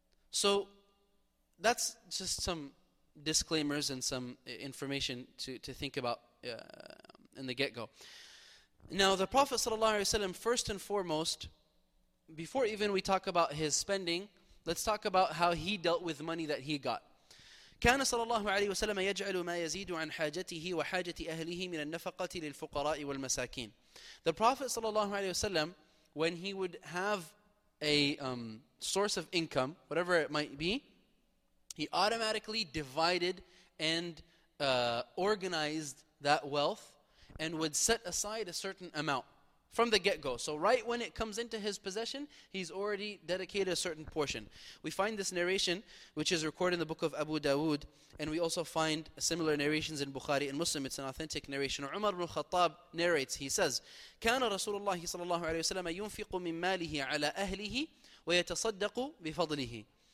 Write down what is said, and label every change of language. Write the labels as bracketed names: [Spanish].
[English] So that's just some disclaimers and some information to think about in the get-go. Now, the Prophet ﷺ, first and foremost, before even we talk about his spending, let's talk about how he dealt with money that he got. [Arabic] كان صلى الله عليه وسلم يجعل ما يزيد عن حاجته وحاجة أهله من النفقة للفقراء والمساكين. [English] The Prophet ﷺ, when he would have a source of income, whatever it might be, he automatically divided and organized that wealth and would set aside a certain amount from the get-go. So right when it comes into his possession, he's already dedicated a certain portion. We find this narration, which is recorded in the book of Abu Dawood, and we also find similar narrations in Bukhari and Muslim. It's an authentic narration. Umar ibn Khattab narrates, he says, [Arabic] كان رسول الله صلى الله عليه وسلم ينفق من ماله على أهله ويتصدق بفضله.